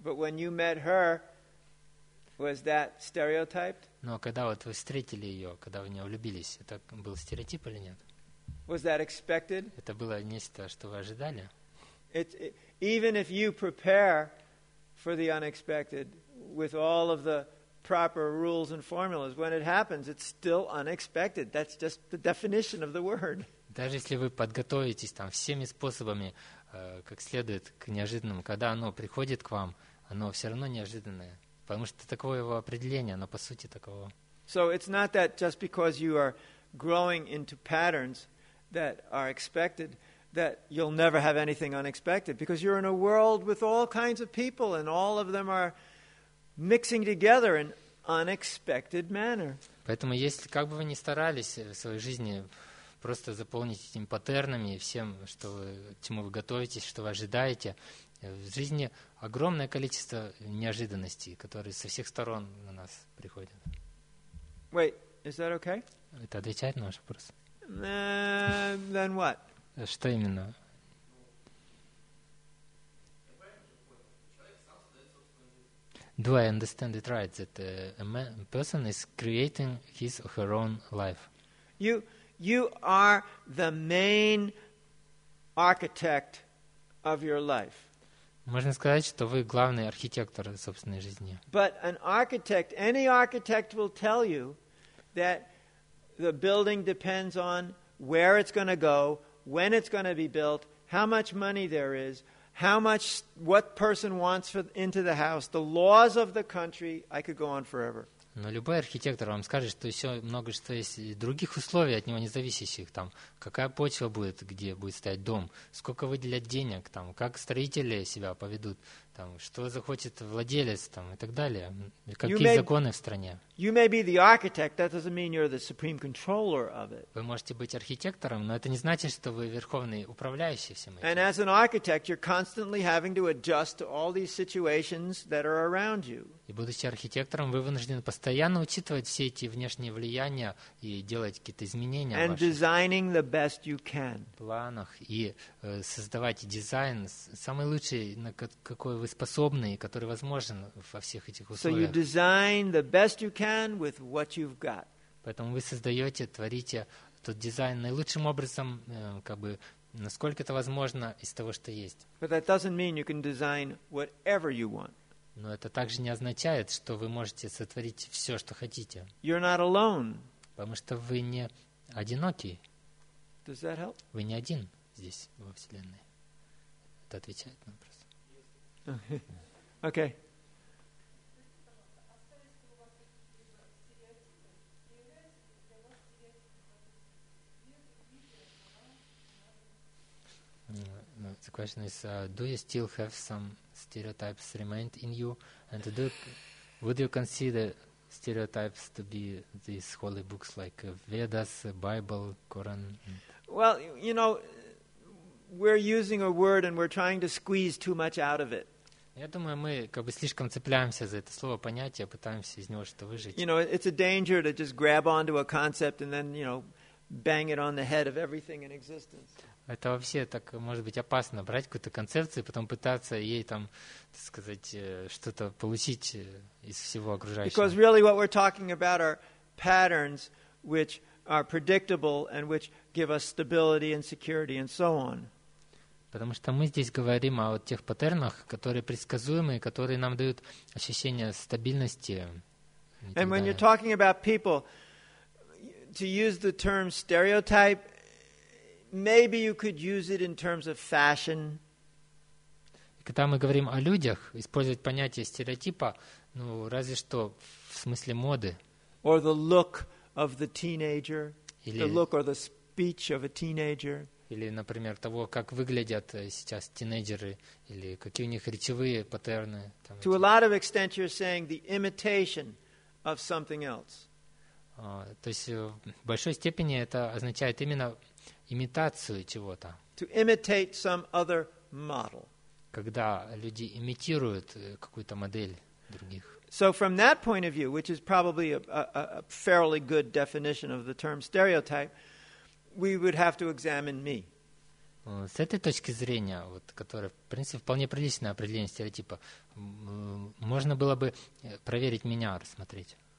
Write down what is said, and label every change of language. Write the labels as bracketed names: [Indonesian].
[English] But when you met her, was that stereotyped? [Russian] Но когда вот вы встретили ее, когда вы в нее влюбились, это был стереотип или нет? [English] Was that expected? [Russian] Это было нечто, что вы ожидали? [English] Even if you prepare for the unexpected with all of the proper rules and formulas, when it happens, it's still unexpected. That's just the definition of the word. [Russian] даже если вы подготовитесь там всеми способами, как следует, к неожиданному, когда оно приходит к вам, оно все равно неожиданное, потому что таково его определение, оно по сути таково. [English] So it's not that just because you are growing into patterns that are expected that you'll never have anything unexpected, because you're in a world with all kinds of people and all of them are mixing together in unexpected manner. [Russian] Поэтому если как бы вы ни старались в своей жизни просто заполнить этими паттернами и всем, что вы, чему вы готовитесь, что вы ожидаете, в жизни огромное количество неожиданностей, которые со всех сторон на нас приходят. [English] Wait, is that okay? [Russian] Это отвечает на ваш вопрос? [English] Then what? [Russian] Что именно? [English] Do I understand it right that a person is creating his or her own life? You are the main architect of your life. [Russian] Можно сказать, что вы главный архитектор собственной жизни. [English] But an architect, any architect will tell you that the building depends on where it's going to go, when it's going to be built, how much money there is, how much, what person wants for, into the house, the laws of the country. I could go on forever. [Russian] Но любой архитектор вам скажет, что еще много что есть и других условий от него независящих. Там, какая почва будет, где будет стоять дом, сколько выделят денег, там, как строители себя поведут, там, что захочет владелец там, и так далее. Какие законы в стране. [English] You may be the architect, that doesn't mean you're the supreme controller of it. [Russian] Вы можете быть архитектором, но это не значит, что вы верховный управляющий всем этим. [English] And as an architect, you're constantly having to adjust to all these situations that are around you. [Russian] И будучи архитектором, вы вынуждены постоянно учитывать все эти внешние влияния и делать какие-то изменения [English] and designing the best you can. [Russian] Планах и создавать дизайн самый лучший, на какой вы способны и который возможен во всех этих условиях. [English] So you design the best you can with what you've got. [Russian] Поэтому вы создаете, творите тот дизайн наилучшим образом, как бы, насколько это возможно из того, что есть. [English] But that doesn't mean you can design whatever you want. [Russian] Но это также не означает, что вы можете сотворить все, что хотите. [English] You're not alone. [Russian] Потому что вы не одинокий. [English] Does that help? [Russian] Вы не один здесь во Вселенной. Это отвечает на вопрос. [English] Okay. The question is, do you still have some stereotypes remained in you? And do you, would you consider stereotypes to be these holy books like Vedas, Bible, Quran? Well, you know, we're using a word and we're trying to squeeze too much out of it. [Russian] Я думаю, мы как бы слишком цепляемся за это слово понятие, пытаемся из него что-то выжить. [English] You know, it's a danger to just grab onto a concept and then, you know, bang it on the head of everything in existence. [Russian] Это вообще так может быть опасно, брать какую-то концепцию и потом пытаться ей там, так сказать, что-то получить из всего окружающего. [English] Because really what we're talking about are patterns which are predictable and which give us stability and security and so on. [Russian] Потому что мы здесь говорим о вот тех паттернах, которые предсказуемы, которые нам дают ощущение стабильности. [English] And when you're talking about people, to use the term stereotype, maybe you could use it in terms of fashion. [Russian] Когда мы говорим о людях, использовать понятие стереотипа, ну, разве что в смысле моды. [English] Or the look of the teenager. [Russian] Или, [English] the look or the speech of a teenager. [Russian] Или, например, того, как выглядят сейчас тинейджеры, или какие у них речевые паттерны. Там, [English] to a lot of extent you're saying the imitation of something else. [Russian] То есть в большой степени это означает именно имитацию чего-то. [English] To imitate some other model. [Russian] Когда люди имитируют какую-то модель других. [English] So from that point of view, which is probably a fairly good definition of the term stereotype, we would have to examine me. [Russian] С этой точки зрения, вот, которая, в принципе, вполне приличное определение стереотипа, можно было бы проверить меня, рассмотреть.